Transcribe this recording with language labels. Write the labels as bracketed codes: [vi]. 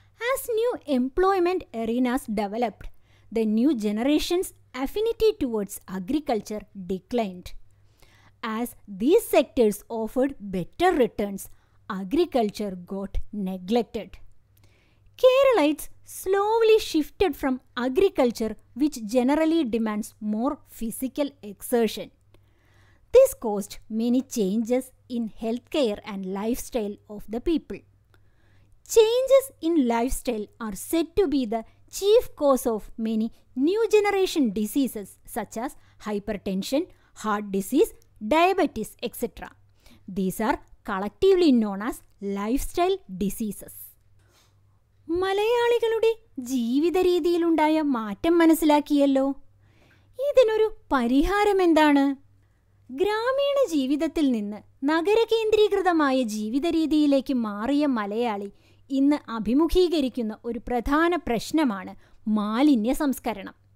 [en] As new employment arenas developed, the new generation's affinity towards agriculture declined. As these sectors offered better returns, agriculture got neglected. Keralites slowly shifted from agriculture which generally demands more physical exertion. This caused many changes in healthcare and lifestyle of the people. Changes in lifestyle are said to be the chief cause of many new generation diseases such as hypertension, heart disease, diabetes, etc. These are collectively known as lifestyle diseases. [ml] മലയാളികളുടെ ജീവിത രീതിയിലുണ്ടായ മാറ്റം മനസ്സിലാക്കിയല്ലോ. ഇതിനൊരു പരിഹാരം എന്താണ്? ഗ്രാമീണ ജീവിതത്തിൽ നിന്ന് നഗരകേന്ദ്രീകൃതമായ ജീവിത രീതിയിലേക്ക് മാറിയ മലയാളി ഇന്ന് അഭിമുഖീകരിക്കുന്ന ഒരു പ്രധാന പ്രശ്നമാണ് മാലിന്യ സംസ്കരണം.